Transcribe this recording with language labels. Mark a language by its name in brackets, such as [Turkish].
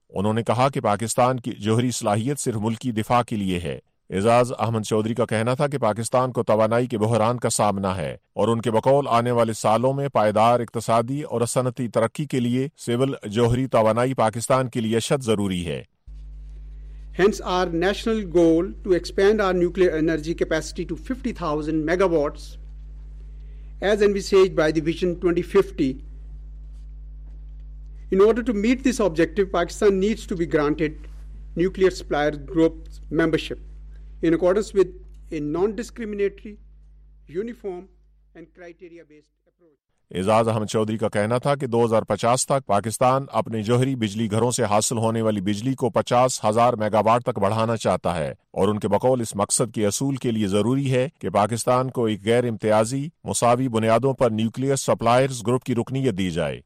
[Urdu] انہوں نے کہا کہ پاکستان کی جوہری صلاحیت صرف ملکی دفاع کے لیے ہے. اعزاز احمد چوہدری کا کہنا تھا کہ پاکستان کو توانائی کے بحران کا سامنا ہے اور ان کے بقول آنے والے سالوں میں پائیدار اقتصادی اور صنعتی ترقی کے لیے سول جوہری توانائی پاکستان کے لیے اشد ضروری ہے. [English] Hence, our national goal to expand our nuclear energy capacity to 50,000 megawatts, as envisaged by the Vision 2050. In order to meet this objective, Pakistan needs to be granted nuclear supplier group membership in accordance with a non-discriminatory, uniform and criteria-based. [Urdu] اعزاز احمد چوہدری کا کہنا تھا کہ 2050 تک پاکستان اپنے جوہری بجلی گھروں سے حاصل ہونے والی بجلی کو 50,000 میگا واٹ تک بڑھانا چاہتا ہے اور ان کے بقول اس مقصد کے حصول کے لیے ضروری ہے کہ پاکستان کو ایک غیر امتیازی مساوی بنیادوں پر نیوکلیئر سپلائرز گروپ کی رکنیت دی جائے.